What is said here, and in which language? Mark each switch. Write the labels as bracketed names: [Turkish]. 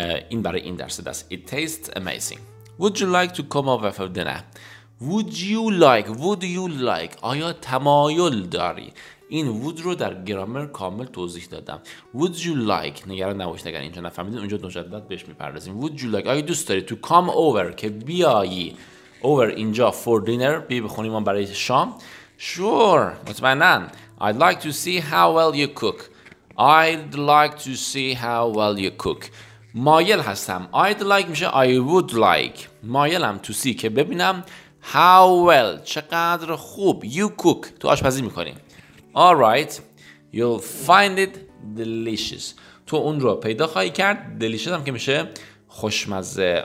[Persian] این برای این درس دست. [English] It tastes amazing. Would you like to come over for dinner? Would you like؟ [Persian] آیا تمایل داری؟ این would رو در گرامر کامل توضیح دادم. [English] Would you like، [Persian] نگران نباشید اگر اینجا نفهمیدین، اونجا مجدد بهش میپردازیم. [English] Would you like، [Persian] آیا دوست داری [English] to come over، [Persian] که بیایی over اینجا [English] for dinner، [Persian] بیا بخونیم من برای شام. [English] Sure، [Persian] مطمئنن. [English] I'd like to see how well you cook. I'd like to see how well you cook. [Persian] مایل هستم. [English] I'd like میشه I would like. [Persian] مایلم [English] to see [Persian] که ببینم [English] how well، [Persian] چقدر خوب [English] you cook، [Persian] تو آشپزی میکنی. [English] Alright, you'll find it delicious. [Persian] تو اون رو پیدا خواهی کرد. Delicious هم که میشه خوشمزه.